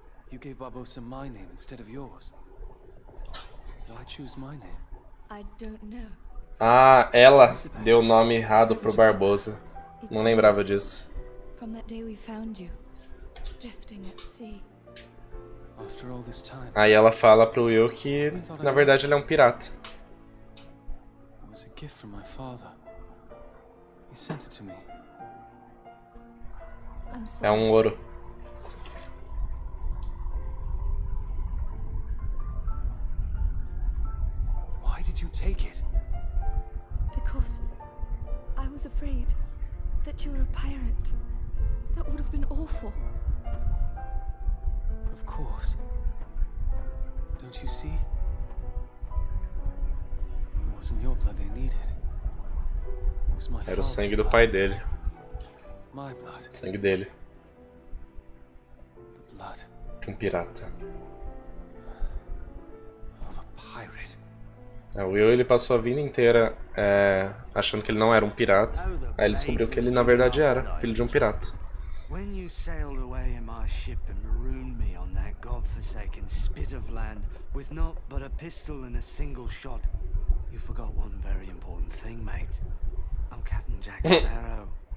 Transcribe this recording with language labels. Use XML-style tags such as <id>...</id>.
<en>You gave Barbossa my name instead of yours. Why choose my name? I don't know.</en> <pt>Ah, ela deu o nome errado pro Barbossa. Não lembrava disso.</pt> <en>From that day we found you, drifting at sea. After all this time.</en> <pt>Aí ela fala pro Will que na verdade ele é um pirata.</pt> <en>It was a gift from my father. He sent it to me.</en> <pt>É um ouro.</pt> <en>Why did you take it? Because I was afraid that you were a pirate. That would have been awful. Of course. Don't you see? It wasn't your blood they needed. It was my father's blood.</en> <pt>Era o sangue do pai dele.</pt> <en>My blood.</en> <pt>Sangue dele. De um pirata.</pt> <en>Of a pirate.</en> <pt>É, o Will, ele passou a vida inteira achando que ele não era um pirata. Aí ele descobriu que ele na verdade era filho de um pirata.</pt> <en>When you sailed away in my ship and marooned me on that godforsaken spit of land with not but a pistol and a single shot, you forgot one very important thing, mate. I'm Captain Jack Sparrow.</en>